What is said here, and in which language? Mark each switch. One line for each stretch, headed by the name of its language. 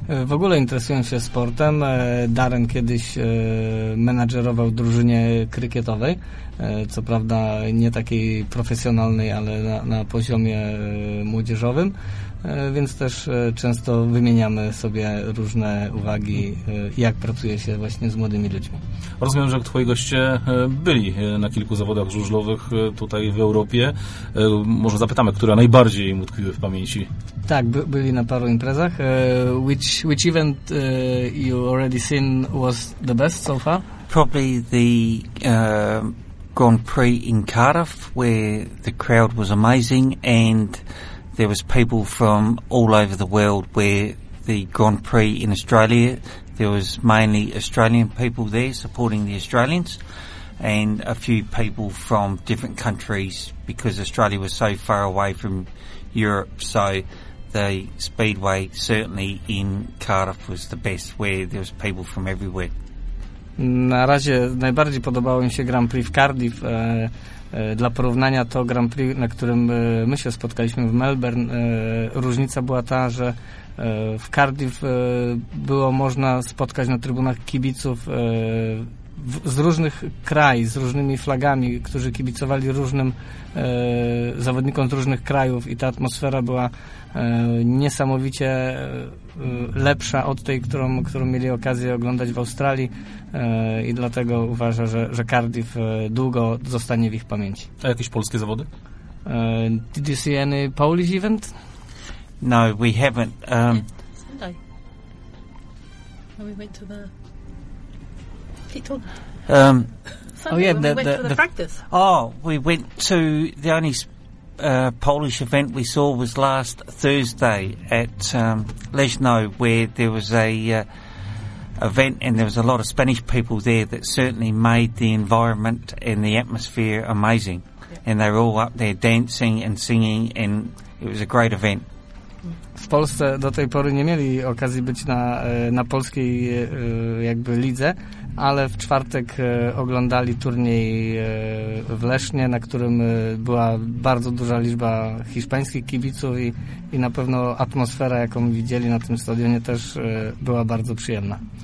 Polish: W ogóle interesują się sportem. Darren kiedyś menadżerował drużynie krykietowej, co prawda nie takiej profesjonalnej, ale na poziomie młodzieżowym, więc też często wymieniamy sobie różne uwagi, jak pracuje się właśnie z młodymi ludźmi. Rozumiem, że twoi goście byli na kilku zawodach żużlowych tutaj w Europie. Może zapytamy, które najbardziej im utkwiły w pamięci? Tak, byli na paru imprezach.
English: Which event you already seen was the best so far? Probably the Grand Prix in Cardiff, where the crowd was amazing and there was people from all over the world, where the Grand Prix in Australia, there was mainly Australian people there supporting the Australians and a few people from different countries because Australia was so far away from Europe. So the speedway certainly in Cardiff was the best, where there was people from everywhere.
Polish: Na razie najbardziej podobało mi się Grand Prix w Cardiff. Dla porównania to Grand Prix, na którym my się spotkaliśmy w Melbourne, różnica była ta, że w Cardiff było można spotkać na trybunach kibiców z różnych krajów, z różnymi flagami, którzy kibicowali różnym zawodnikom z różnych krajów i ta atmosfera była niesamowicie lepsza od tej, którą mieli okazję oglądać w Australii i dlatego uważa, że Cardiff długo zostanie w ich pamięci. A jakieś polskie zawody?
English: Did you see any Polish event? No, we haven't. Sunday. When we went to the... Oh yeah, we went to the practice. Oh, we went to the only Polish event we saw was last Thursday at Leszno, where there was a event and there was a lot of Spanish people there that certainly made the environment and the atmosphere amazing. Yeah. And they were all up there dancing and singing and it was a great event.
Polish: W Polsce do tej pory nie mieli okazji być na polskiej jakby lidze, ale w czwartek oglądali turniej w Lesznie, na którym była bardzo duża liczba hiszpańskich kibiców i na pewno atmosfera, jaką widzieli na tym stadionie, też była bardzo przyjemna.